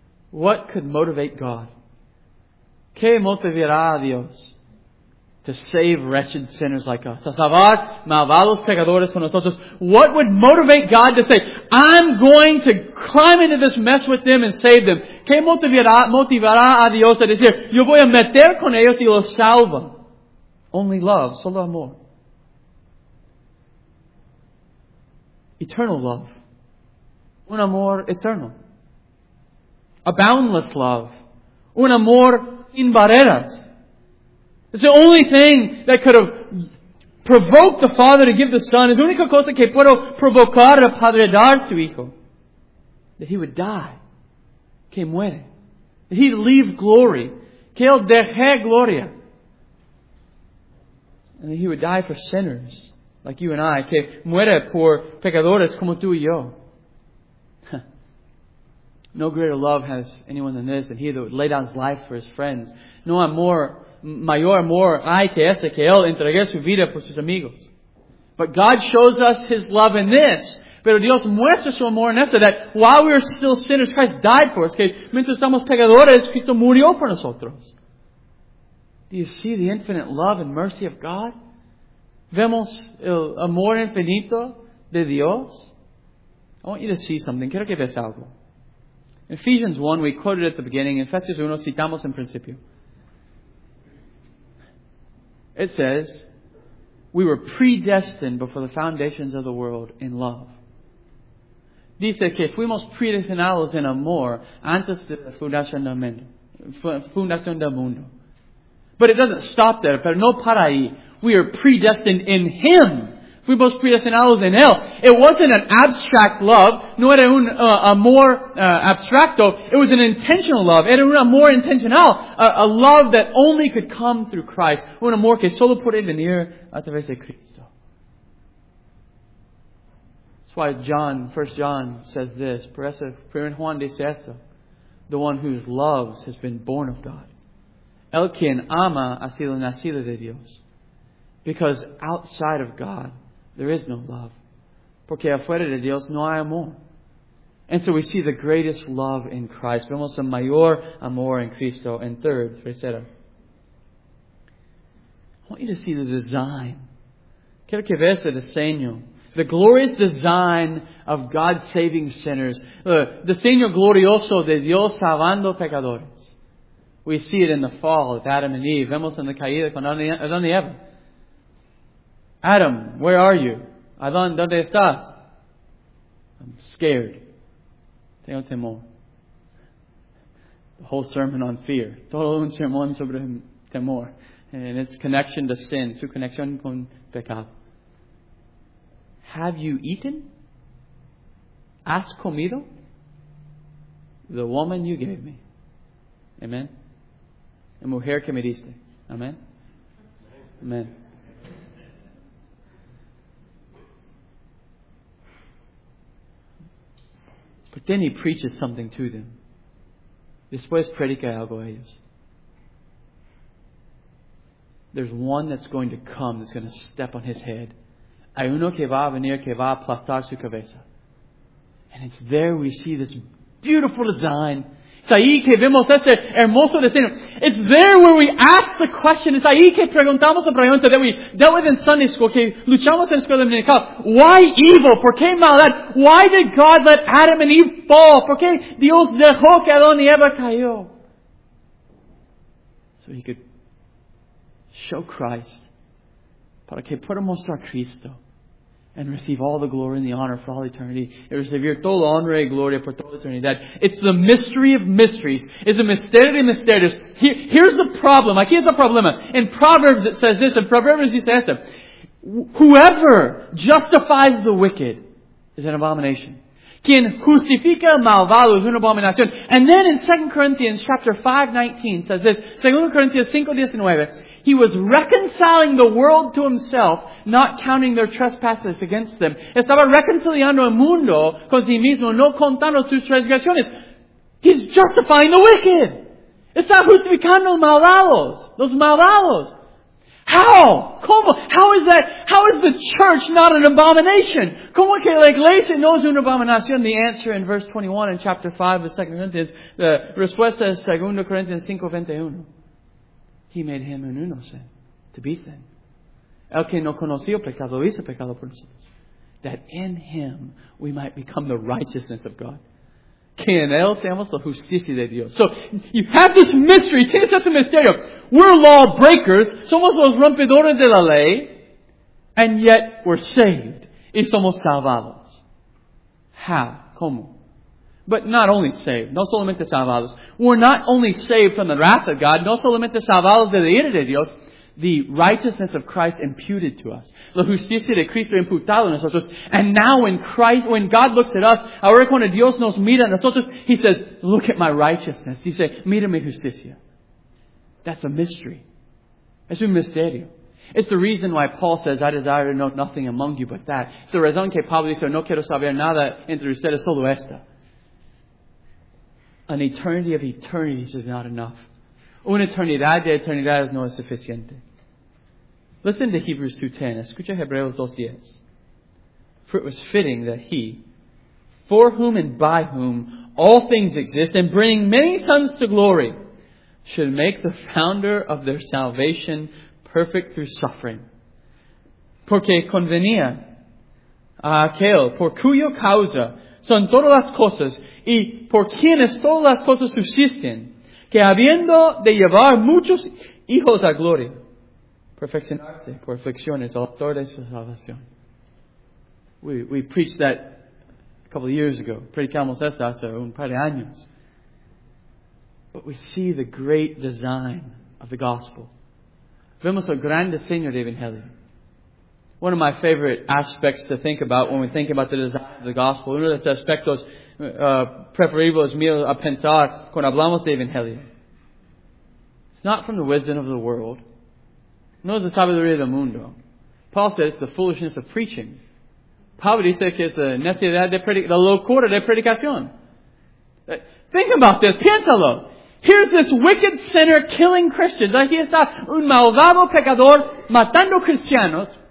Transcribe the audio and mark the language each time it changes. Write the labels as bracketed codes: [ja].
[en] What could motivate God? [es] ¿Qué motivará a Dios [en] to save wretched sinners like us? [es] A salvar malvados pecadores con nosotros. [en] What would motivate God to say, I'm going to climb into this mess with them and save them? [es] ¿Qué motivará a Dios a decir, yo voy a meter con ellos y los salvo? [en] Only love, [es] solo amor. [en] Eternal love. [es] Un amor eterno. [en] A boundless love. [es] Un amor sin barreras. [en] It's the only thing that could have provoked the Father to give the Son. [es] Es la única cosa que puedo provocar al Padre a dar su Hijo. [en] That He would die. [es] Que muere. [en] That He'd leave glory. [es] Que Él deje gloria. [en] And that He would die for sinners like you and I. [es] Que muere por pecadores como tú y yo. [en] No greater love has anyone than this, and he that would lay down his life for his friends. [es] No amor, mayor amor hay que ese, que él entregue su vida por sus amigos. [en] But God shows us his love in this. [es] Pero Dios muestra su amor en esto, [en] that while we are still sinners, Christ died for us. [es] Que mientras somos pecadores, Cristo murió por nosotros. [en] Do you see the infinite love and mercy of God? [es] Vemos el amor infinito de Dios? [en] I want you to see something. [es] Quiero que veas algo. [en] Ephesians 1, we quoted at the beginning. [es] En Efesios 1, citamos en principio. [en] It says, we were predestined before the foundations of the world in love. [es] Dice que fuimos predestinados en amor antes de la fundación del mundo. [en] But it doesn't stop there. [es] Pero no para ahí. [en] We are predestined in Him. [es] Fuimos predestinados en Él. [en] It wasn't an abstract love. [es] No era un amor abstracto. [en] It was an intentional love. [es] Era un amor intencional. [en] A love that only could come through Christ. [es] Un amor que solo puede venir a través de Cristo. [en] That's why John, 1 John says this. [es] Por eso, 1 Juan dice esto. [en] The one whose love has been born of God. [es] El quien ama ha sido nacido de Dios. [en] Because outside of God, there is no love. [es] Porque afuera de Dios no hay amor. [en] And so we see the greatest love in Christ. [es] Vemos el mayor amor en Cristo. [en] And third, tercera. I want you to see the design. [es] Quiero que veas el diseño. [en] The glorious design of God saving sinners. [es] The diseño glorioso de Dios salvando pecadores. [en] We see it in the fall of Adam and Eve. [es] Vemos en la caída con Adán y Eva. [en] Adam, where are you? [es] Adán, ¿dónde estás? [en] I'm scared. [es] Tengo temor. [en] The whole sermon on fear. [es] Todo un sermón sobre temor. [en] And its connection to sin. [es] Su conexión con pecado. [en] Have you eaten? [es] ¿Has comido? [en] The woman you gave me. Amen. [es] La mujer que me diste. [en] Amen. Amen. But then he preaches something to them. [es] Después predica algo a ellos. [en] There's one that's going to come that's going to step on his head. [es] Hay uno que va a venir que va a aplastar su cabeza. [en] And it's there we see this beautiful design. [es] Es ahí que vemos este hermoso diseño. [en] It's there where we ask the question. [es] Es ahí que preguntamos la pregunta [en] that we dealt with in Sunday school. [es] Que luchamos en la escuela dominical. [en] Why evil? [es] ¿Por qué maldad? [en] Why did God let Adam and Eve fall? [es] ¿Por qué Dios dejó que Adán y Eva cayó? [en] So he could show Christ. [es] Para que pueda mostrar Cristo. [en] And receive all the glory and the honor for all eternity. [es] Y recibir toda la honra y gloria por toda la eternidad. [en] It's the mystery of mysteries. It's a mystery of mysteries. Here's the problem. [es] Aquí es el problema. [en] In Proverbs it says this. In Proverbs it says this. Whoever justifies the wicked is an abomination. [es] quien justifica malvados una abominación. [en] And then in 2 Corinthians 5:19 says this, 2 Corinthians 5:19, he was reconciling the world to himself, not counting their trespasses against them. [es] Estaba reconciliando el mundo con sí mismo, no contando sus transgresiones. [en] He's justifying the wicked. [es] Está justificando los malvados. [en] How? ¿Cómo? How is the church not an abomination? [es] ¿Cómo que la iglesia no es una abominación? [en] The answer in verse 21 in chapter 5 of 2 Corinthians, the [es] respuesta es [en] 2 Corinthians 5:21. He made him an uno sin, to be sin. [es] El que no conoció pecado, hizo pecado por nosotros. [en] That in him we might become the righteousness of God. [es] Que en él seamos la justicia de Dios. [en] So, you have this mystery. [es] Tienes este misterio. [en] We're lawbreakers. [es] Somos los rompedores de la ley. [en] And yet, we're saved. [es] Y somos salvados. [en] How? [es] ¿Cómo? [en] But not only saved. [es] No solamente salvados. [en] We're not only saved from the wrath of God. [es] No solamente salvados de la ira de Dios. [en] The righteousness of Christ imputed to us. [es] La justicia de Cristo imputado a nosotros. [en] And now when God looks at us, [es] ahora cuando Dios nos mira a nosotros, [en] He says, look at my righteousness. He says, [es] mira mi justicia. [en] That's a mystery. [es] Es un misterio. [en] It's the reason why Paul says, I desire to know nothing among you but that. It's the reason [es] que Pablo dice, no quiero saber nada entre ustedes, solo esta. [en] An eternity of eternities is not enough. [es] Una eternidad de eternidades no es suficiente. [en] Listen to Hebrews 2:10. [es] Escucha Hebreos 2:10. [en] For it was fitting that He, for whom and by whom all things exist, and bringing many sons to glory, should make the founder of their salvation perfect through suffering. [es] Porque convenía a aquel por cuyo causa son todas las cosas y por quienes todas las cosas subsisten, que habiendo de llevar muchos hijos a gloria, perfeccionarse por aflicciones, el autor de su salvación. [en] We preached that a couple of years ago. [es] Predicamos esto hace un par de años. [en] But we see the great design of the gospel. [es] Vemos el gran diseño del Evangelio. [en] One of my favorite aspects to think about when we think about the design of the gospel, [es] uno de los aspectos preferibles míos a pensar cuando hablamos de Evangelio. [en] It's not from the wisdom of the world. [es] No es la sabiduría del mundo. [en] Paul says it's the foolishness of preaching. [es] Pablo dice que es la necesidad de la locura de predicación. [en] Think about this. [es] Piénsalo. [en] Here's this wicked sinner killing Christians. [es] Aquí está un malvado pecador matando cristianos.